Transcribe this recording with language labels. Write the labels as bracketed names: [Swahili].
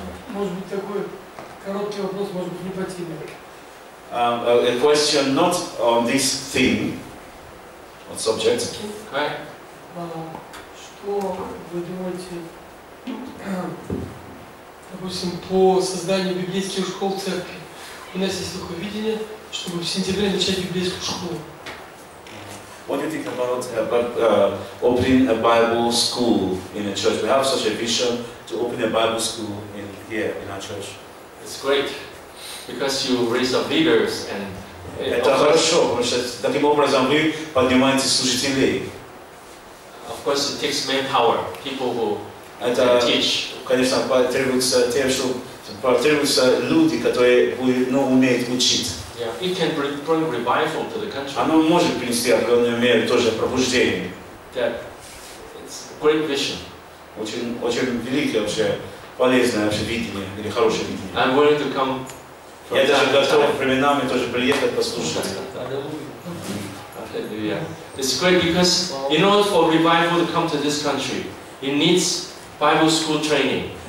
[Russian] Может быть такой короткий вопрос, может быть не по теме. [English] A question not on this theme, on subject. Okay. [Russian] Что вы думаете, допустим, по созданию библейских школ в церкви? У нас есть такое видение, чтобы в сентябре начать библейскую школу. [English] What do you think about opening a Bible school in a church? We have such a vision to open a Bible school in here in our church. It's great because you raise up leaders and. [Russian] Это хорошо, потому что таким образом вы поднимаете служителей. [English] Of course, it takes manpower, people who teach. [Russian] Конечно, потребуется тем, что потребуются люди, которые умеют учить. [English] Yeah, it can bring revival to the country. [Russian] Оно может принести определенную меру тоже пробуждение. [English] Yeah, it's a great vision. [Russian] Очень великое вообще полезное вообще видение или хорошее видение. [English] I'm willing to come. [Russian] Я даже готов временами тоже приехать послушать. [English] Hallelujah. It's great because in order for revival to come to this country, it needs Bible school training.